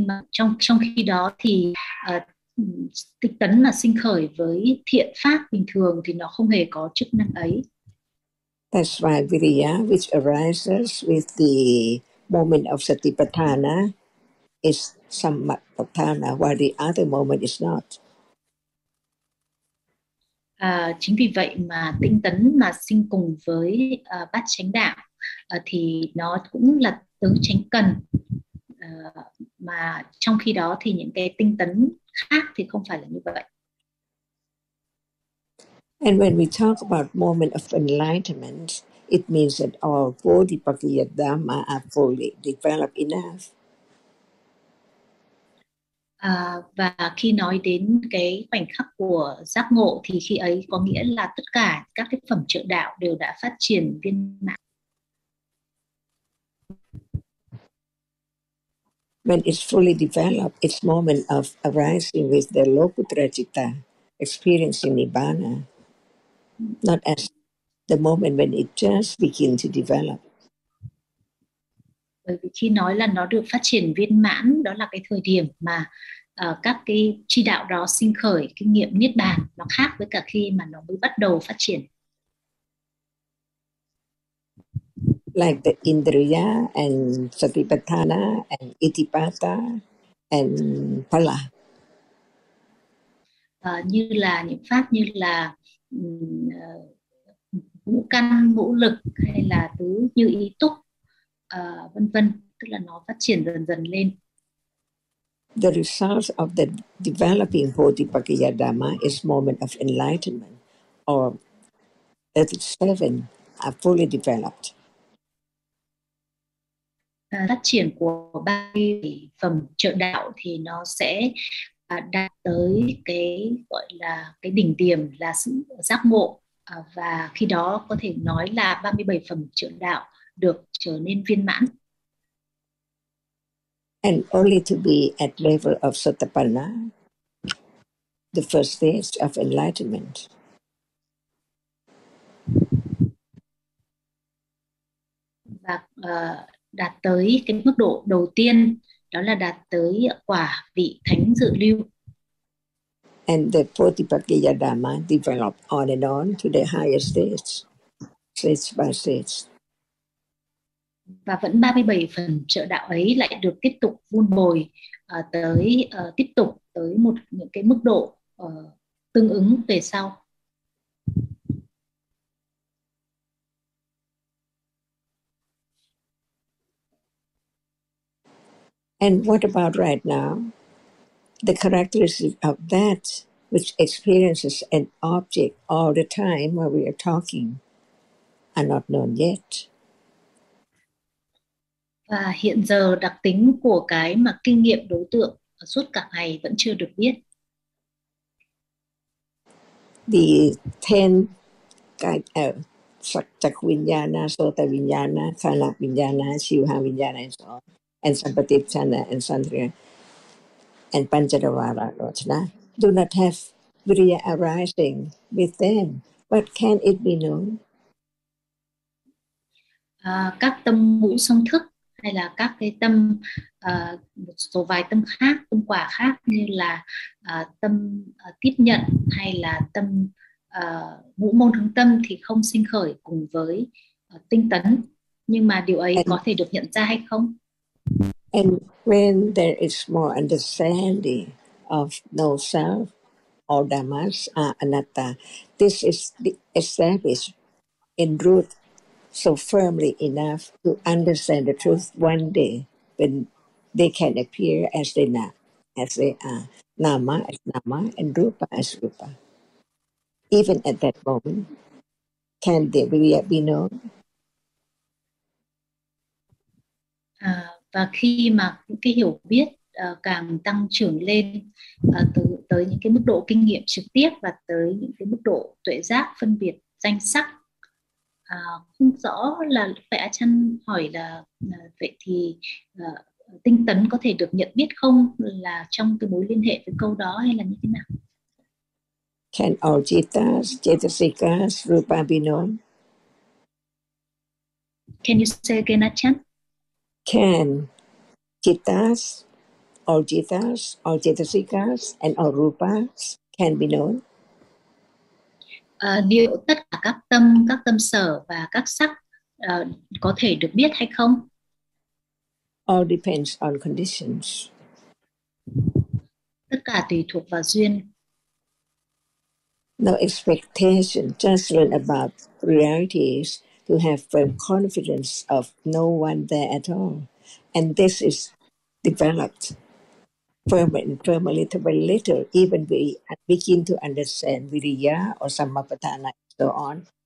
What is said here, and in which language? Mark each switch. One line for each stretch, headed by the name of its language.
Vietnamese: Trong khi đó thì tinh tấn mà sinh khởi với thiện pháp bình thường thì nó không hề có chức năng ấy.
English: That's why viriya which arises with the moment of satipatthana is samapatthana, while the other moment is not.
Vietnamese: Chính vì vậy mà tinh tấn mà sinh cùng với bát chánh đạo thì nó cũng là tứ chánh cần. Mà trong khi đó thì những cái tinh tấn khác thì không phải là như vậy.
English: And when we talk about moment of enlightenment, it means that all Bodhipakkhiya Dhamma are fully developed enough.
Vietnamese: Và khi nói đến cái khoảnh khắc của giác ngộ thì khi ấy có nghĩa là tất cả các cái phẩm trợ đạo đều đã phát triển viên mãn.
English: When it's fully developed, it's moment of arising with the Lokuttara citta, experiencing Nibbana, not as the moment when it just begins to develop.
Vietnamese: Bởi vì khi nói là nó được phát triển viên mãn, đó là cái thời điểm mà các cái chi đạo đó sinh khởi kinh nghiệm niết bàn, nó khác với cả khi mà nó mới bắt đầu phát triển.
English: Like the Indriya and Satipatthana and Itipata and Phala.
Vietnamese: Như là những pháp như là ngũ căn, ngũ lực hay là tứ như ý túc, vân vân, tức là nó phát triển dần dần lên.
English: The result of the developing Bodhipakkhaya Dhamma is moment of enlightenment or at seven are fully developed.
Vietnamese: Phát triển của ba phẩm trợ đạo thì nó sẽ đạt tới cái gọi là cái đỉnh điểm là sự giác ngộ, và khi đó có thể nói là 37 phẩm trợ đạo được trở nên viên mãn.
English: And only to be at level of Sotapanna, the first stage of enlightenment.
Vietnamese: Và đạt tới cái mức độ đầu tiên, đó là đạt tới quả vị thánh dự lưu.
English: And the Bodhipakkhaya Dhamma develop on and on to the higher stage, stage by stage.
Vietnamese: Và vẫn 37 phần trợ đạo ấy lại được tiếp tục vun bồi tới tiếp tục tới một những cái mức độ tương ứng về sau.
English: And what about right now? The characteristics of that which experiences an object all the time while we are talking are not known yet.
Vietnamese: Và hiện giờ đặc tính của cái mà kinh nghiệm đối tượng suốt cả ngày vẫn chưa được biết.
English: The ten Sattak Vinyana, Sota Vinyana, Kala Vinyana, Siuha Vinyana and so on. And Sampatipchana and Sandriya and Panchadavara Rochana do not have Virya arising with them. But can it be known?
Vietnamese: Các tâm ngũ song thức hay là các cái tâm, một số vài tâm khác, tâm quả khác như là tâm tiếp nhận hay là tâm ngũ môn hướng tâm thì không sinh khởi cùng với tinh tấn. Nhưng mà điều ấy có thể được nhận ra hay không?
English: And when there is more understanding of no self, all dhammas are anatta. This is established in root so firmly enough to understand the truth one day when they can appear as they are, as they are, nama as nama and rupa as rupa. Even at that moment, can they really be known?
Vietnamese: Và khi mà những cái hiểu biết càng tăng trưởng lên tới những cái mức độ kinh nghiệm trực tiếp và tới những cái mức độ tuệ giác phân biệt danh sắc, không rõ là vậy. A Chan hỏi là vậy thì tinh tấn có thể được nhận biết không, là trong cái mối liên hệ với câu đó hay là như thế nào?
English: Can all jitas, jetasikas, rupa be known? Can you say again, A Chan? Can jitas, all jitas, all jetasikas, and all rupas can be known?
Vietnamese: Liệu tất cả các tâm sở và các sắc có thể được biết hay không?
English: All depends on conditions.
Vietnamese: Tất cả tùy thuộc vào duyên.
English: No expectation, just learn about realities to have firm confidence of no one there at all. And this is developed firmly and firmly, little by little, even we begin to understand Viriya or Sammapatthana and so on.